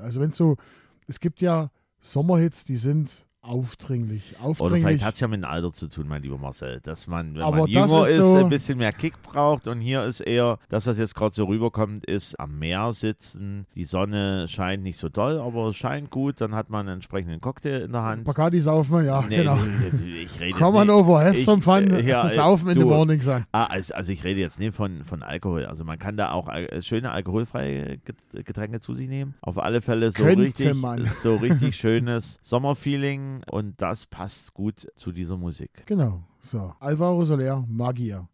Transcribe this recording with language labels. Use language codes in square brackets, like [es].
[de] Also wenn es so, es gibt ja Sommerhits, die sind aufdringlich. Oder vielleicht hat es ja mit dem Alter zu tun, mein lieber Marcel, dass man, wenn aber man jünger ist, so ein bisschen mehr Kick braucht und hier ist eher das, was jetzt gerade so rüberkommt, ist am Meer sitzen, die Sonne scheint nicht so doll, aber es scheint gut, dann hat man einen entsprechenden Cocktail in der Hand. Bacardi saufen, ja, nee, genau. [en] Come on over, have some fun, saufen in the morning sein. [de] Also ich rede jetzt nicht von Alkohol, also man kann da auch schöne alkoholfreie Getränke zu sich nehmen, auf alle Fälle so richtig schönes Sommerfeeling. Und das passt gut zu dieser Musik. Genau, so. Alvaro Soler, Magia.